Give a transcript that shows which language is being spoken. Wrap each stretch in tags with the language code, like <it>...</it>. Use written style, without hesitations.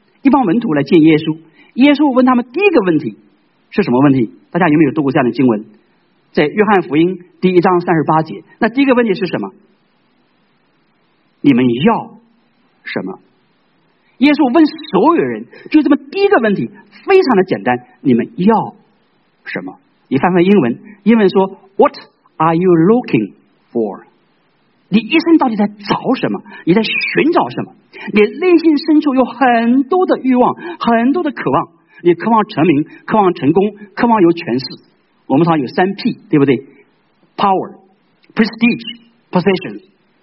<zh>一帮门徒来见耶稣，耶稣问他们第一个问题是什么问题，大家有没有读过这样的经文，在约翰福音第一章三十八节，那第一个问题是什么？你们要什么？耶稣问所有人就这么第一个问题，非常的简单，你们要什么？你翻翻英文，英文说</zh> <en>What are you looking for？</en> <zh>你一生到底在找什么？你在寻找什么？你内心深处有很多的欲望，很多的渴望，你渴望成名，渴望成功，渴望有权势，我们常有三 P 对不对？</zh> <en>Power Prestige Possession。</en>